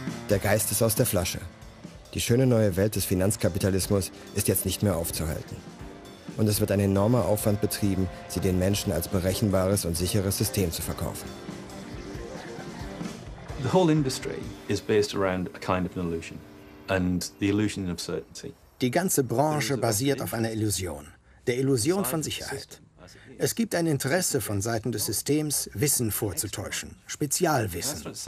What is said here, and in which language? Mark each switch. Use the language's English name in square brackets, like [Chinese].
[German] Der Geist ist aus der Flasche. Die schöne neue Welt des Finanzkapitalismus ist jetzt nicht mehr aufzuhalten. Und es wird ein enormer Aufwand betrieben, sie den Menschen als berechenbares und sicheres System zu verkaufen. [English] The whole industry is based around a kind of an illusion and the illusion of certainty. [German] Die ganze Branche basiert auf einer Illusion, der Illusion von Sicherheit. Es gibt ein Interesse von Seiten des Systems, Wissen vorzutäuschen, Spezialwissen.